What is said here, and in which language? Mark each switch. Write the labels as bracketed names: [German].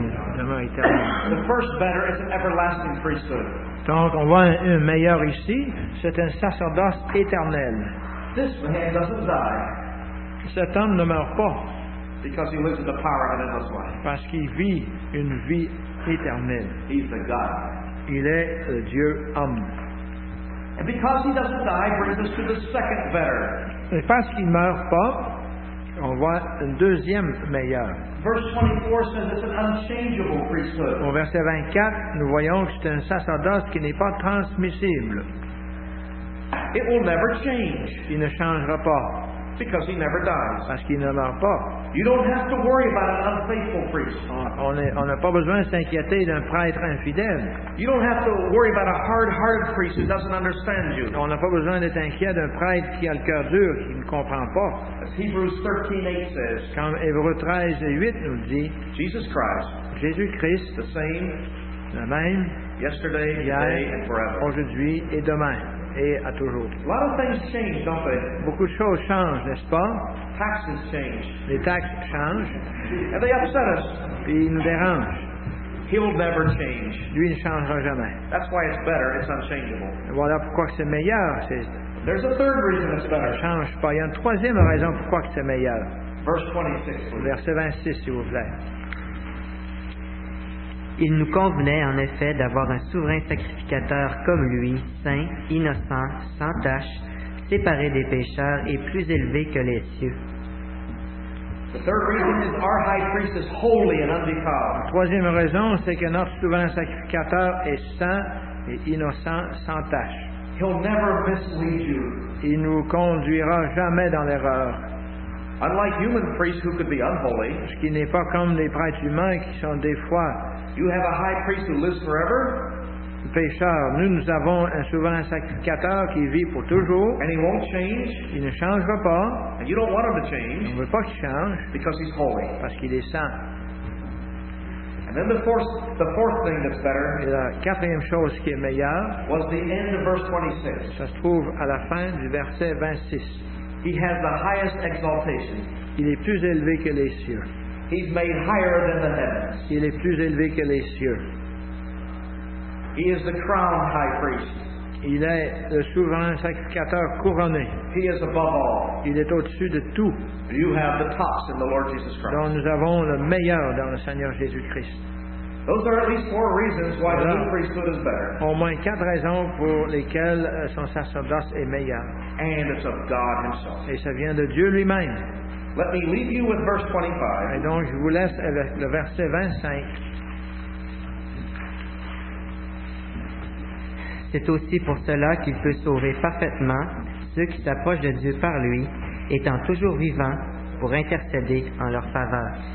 [English] The first better is an everlasting priesthood. [French] Donc, on voit un meilleur ici. C'est un sacerdoce éternel. [English] This man doesn't die. [French] Cet homme ne meurt pas. [English] Because he lives in the power of an endless life. [French] Parce qu'il vit une vie éternelle. [English] He's the God. [French] Il est le Dieu homme. [English] And because he doesn't die, brings us to the second better. [French] Et parce qu'il ne meurt pas, on voit un deuxième meilleur. [English] Verse 24 says it's an unchangeable priesthood. [French] Au verset 24, nous voyons que c'est un sacerdoce qui n'est pas transmissible. [English] It will never change. [French] Il ne changera pas. [English] Because he never dies. [French] Parce qu'il ne meurt pas. [English] You don't have to worry about an unfaithful priest. [French] On n'a pas besoin de s'inquiéter d'un prêtre infidèle. [English] You don't have to worry about a hard-hearted priest who doesn't understand you. [French] On n'a pas besoin d'être inquiet d'un prêtre qui a le cœur dur, qui ne comprend pas. [English] As Hebrews 13:8 says. [French] Comme Hébreux 13:8 nous dit. [English] Jesus Christ. [French] Jésus Christ. [English] The same. [French] Le même. [English] Yesterday, today, and forever. [French] Aujourd'hui et demain. Et à toujours. [English] A lot of things change, don't they? [French] Beaucoup de choses changent, n'est-ce pas? [English] Taxes change. [French] Les taxes changent. [English] And they upset us. [French] Ils nous dérangent. [English] He will never change. [French] Lui ne changera jamais. [English] That's why it's better. It's unchangeable. [French] Et voilà pourquoi c'est meilleur. C'est... [English] There's a third reason it's better. [French] Ça ne change pas. Il y a une troisième raison pourquoi c'est meilleur. [English] Verse 26, please. [French] Verset 26, s'il vous plaît. Il nous convenait en effet d'avoir un souverain sacrificateur comme lui, saint, innocent, sans tache, séparé des pécheurs et plus élevé que les cieux. [English] The third reason is our high priest is holy and undefiled. [French] La troisième raison, c'est que notre souverain sacrificateur est saint et innocent, sans tache. [English] He'll never mislead you. [French] Il ne vous conduira jamais dans l'erreur. [English] Unlike human priests who could be unholy, [French] ce qui n'est pas comme les prêtres humains qui sont des fois. [English] You have a high priest who lives forever. [French] Pécheur, nous avons un souverain sacrificateur qui vit pour toujours. [English] And he won't change. [French] Il ne changera pas. [English] And you don't want him to change. [French] On ne veut pas qu'il change. [English] Because he's holy. [French] Parce qu'il est saint. [English] And then the fourth thing that's better. [French] Et la quatrième chose qui est meilleure. [English] Was the end of verse 26. [French] Ça se trouve à la fin du verset 26. [English] He has the highest exaltation. [French] Il est plus élevé que les cieux. [English] He's made higher than the heavens. [French] Il est plus élevé que les cieux. [English] He is the crown high priest. [French] Il est le souverain sacrificateur couronné. [English] He is above all. [French] Il est au-dessus de tout. [English] You have the tops in the Lord Jesus Christ. [French] Donc nous avons le meilleur dans le Seigneur Jésus-Christ. [English] Those are at least four reasons why the new priesthood is better. [French] Au moins quatre raisons pour lesquelles son sacerdoce est meilleur. [English] And it's of God himself. [French] Et ça vient de Dieu lui-même. [English] Let me leave you with verse 25. [French] Et donc, je vous laisse avec le verset 25. C'est aussi pour cela qu'il peut sauver parfaitement ceux qui s'approchent de Dieu par lui, étant toujours vivant pour intercéder en leur faveur.